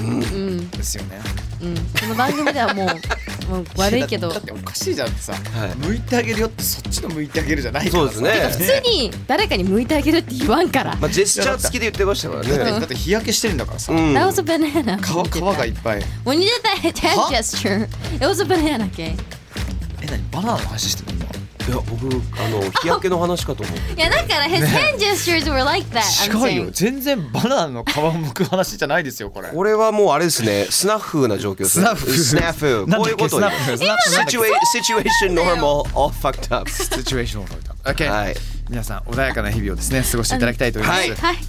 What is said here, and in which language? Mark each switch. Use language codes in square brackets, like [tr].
[ja] うん、ですよね、うん、この番組ではもうもう悪いけど。だっておかしいじゃんってさ、はい、向いてあげるよってそっちの向いてあげるじゃないから。そうですね。普通に誰かに向いてあげるって言わんから、まあ、ジェスチャー付きで言ってましたからね。だって日焼けしてるんだからさ。 [en] That was a banana。 [ja] 皮がいっぱい。 [en] When you did that hand gesture it was a banana cake。 [ja] え、なにバナナの話してるの。いや、僕あの日焼けの話かと思って。いや、だから [en] his hand gestures were like that。 [ja] 違うよ、全然バナナの皮を剥く話じゃないですよ、これ。これはもうあれですね、スナッフな状況。スナッフ、スナッフ、こういうことに。スナッフ、 [en] situation normal, all fucked up。 situation normal, OK、 [ja] はい、皆さん、穏やかな日々をですね、過ごしていただきたいと思います。はい、はい、